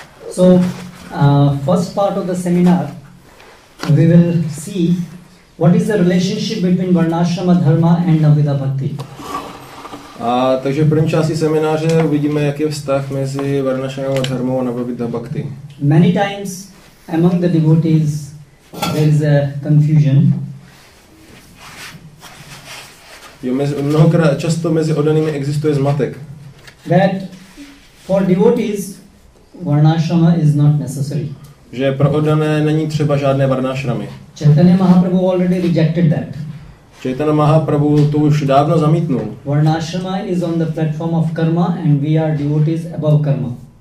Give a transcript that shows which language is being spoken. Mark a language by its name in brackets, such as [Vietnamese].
[English] So, first part of the seminar, we will see what is the relationship between Varnashrama Dharma and Navida Bhakti. [Czech] A takže v první části semináře uvidíme, jaký je vztah mezi Varnashrama Dharma a Navida Bhakti. [English] Many times among the devotees there is a confusion. [Czech] Jo, mnohokrát, často mezi oddanými existuje zmatek. [English] That for devotees Varnashrama is not necessary. [Czech] Že pro oddané není třeba žádné varnashramy. [English] Chaitanya Mahaprabhu already rejected that. [Czech] Chaitanya Mahaprabhu to už dávno zamítnul. [English] Varnashrama is on the platform of karma and we are devotees above karma.